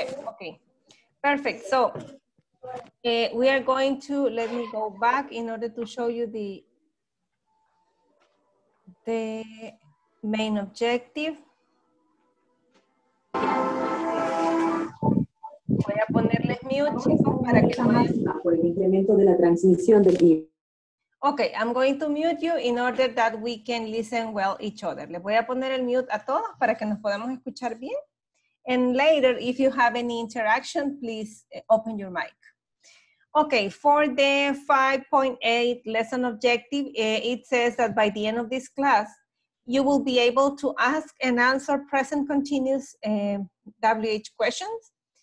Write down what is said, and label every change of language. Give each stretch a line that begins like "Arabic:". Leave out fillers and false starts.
English: Okay. Perfect. So we are going to, let me go back in order to show you the main objective.
Spanish: Voy a ponerle mute, chicos, para que no... Por el incremento de la transmisión del video.
English: Okay, I'm going to mute you in order that we can listen well each other.
Spanish: Les voy a poner el mute a todos para que nos podamos escuchar bien.
English: And later, if you have any interaction, please open your mic. Okay, for the 5.8 lesson objective, it says that by the end of this class, you will be able to ask and answer present continuous WH questions.